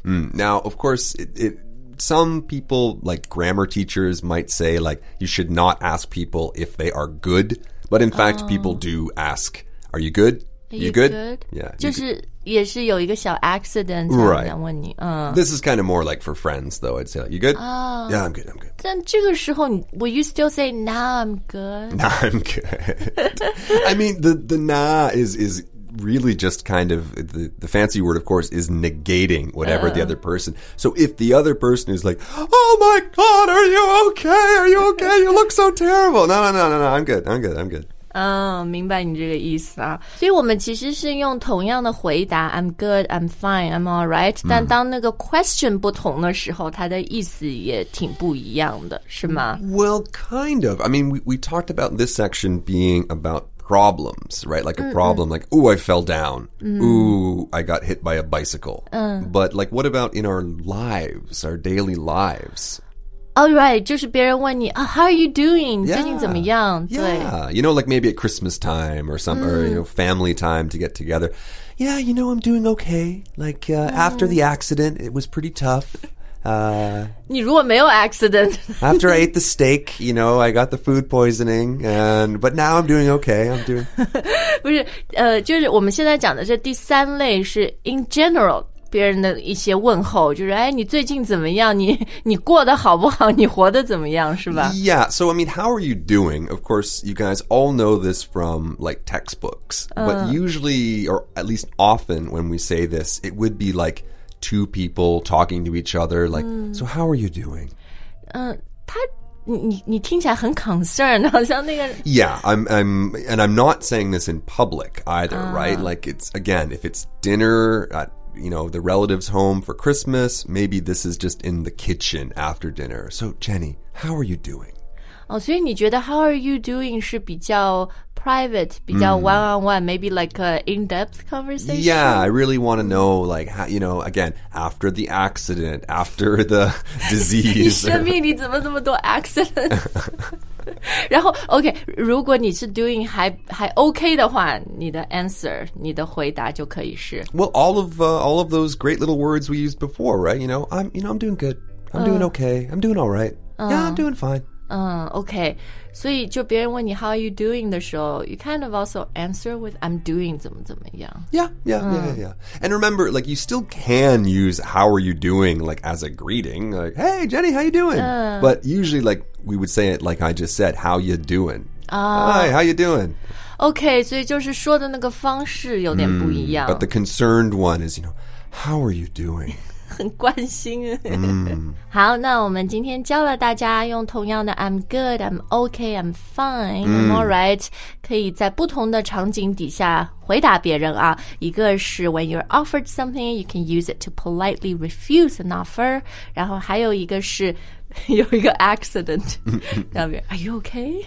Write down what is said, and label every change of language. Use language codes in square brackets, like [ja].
[en] Now, of course, some people, like grammar teachers, might say, like, you should not ask people if they are good. But in fact, people do ask, are you good? Are you good? Yeah. [zh] 就是也是有一个小 accident 才想问你。 [en] Right. This is kind of more like for friends, though. I'd say, like, you good? Yeah, I'm good, I'm good. [zh] 但这个时候 [en] will you still say, nah, I'm good? Nah, I'm good. I mean, the nah is... really just kind of the fancy word, of course, is negating whatever the other person. So if the other person is like, oh my God, are you okay? Are you okay? You look so terrible. No, I'm good. [zh] 明白你这个意思啊。所以我们其实是用同样的回答 I'm good, I'm fine, I'm all right. 但当那个 question 不同的时候它的意思也挺不一样的是吗 [en] Well, kind of. I mean, we talked about this section being aboutproblems, right? Like a problem, like, ooh, I fell down. Ooh, I got hit by a bicycle. But like, what about in our lives, our daily lives? Oh, right. [zh] 就是别人问你、 [en] how are you doing? Yeah. [zh] 最近怎么样 [en] Yeah. You know, like maybe at Christmas time or some,、or, you know, family time to get together. Yeah, you know, I'm doing okay. Like、after the accident, it was pretty tough. [zh] You 如果没有 accident. [en] After I ate the steak, you know, I got the food poisoning, and, but now I'm doing okay. I'm doing. [zh] 不是，就是我们现在讲的这第三类是 [en] in general, [zh] 别人的一些问候，就是哎，你最近怎么样？你过得好不好？你活得怎么样？是吧？ [en] Yeah. So, I mean, how are you doing? Of course, you guys all know this from like textbooks, but usually, or at least often when we say this, it would be like,two people talking to each other, like,、so how are you doing? [zh] 你听起来很 concerned, 好像那个 [en] Yeah, I'm, and I'm not saying this in public either,、right? Like, it's, again, if it's dinner at, you know, the relative's home for Christmas, maybe this is just in the kitchen after dinner. So, Jenny, how are you doing? [zh] 所以你觉得 [en] how are you doing 是比较private, 比较 one-on-one, maybe like an in-depth conversation? Yeah, I really want to know, like, how, you know, again, after the accident, after the disease. [zh] 你生命你怎么这么多 accidents? 然后 OK, 如果你是 doing 还 OK 的话你的 answer, 你的回答就可以是 [en] Well, all of those great little words we used before, right? You know, I'm doing good. I'm doing okay. I'm doing all right. Yeah, I'm doing fine. [zh] OK, 所以就别人问你 how are you doing 的时候 [en] you kind of also answer with [zh] I'm doing 怎么怎么样 [en] Yeah. And remember, like, you still can use how are you doing, like, as a greeting, like, hey, Jenny, how you doing?、But usually, like, we would say it like I just said, how you doing?、Hi, how you doing? [zh] OK, 所以就是说的那个方式有点不一样、 [en] But the concerned one is, you know, how are you doing? [zh] 很关心好那我们今天教了大家用同样的 I'm good, I'm okay, I'm fine, I'm alright 可以在不同的场景底下回答别人啊一个是 [en] when you're offered something you can use it to politely refuse an offer [zh] 然后还有一个是有一个 accident 让别人 are you okay?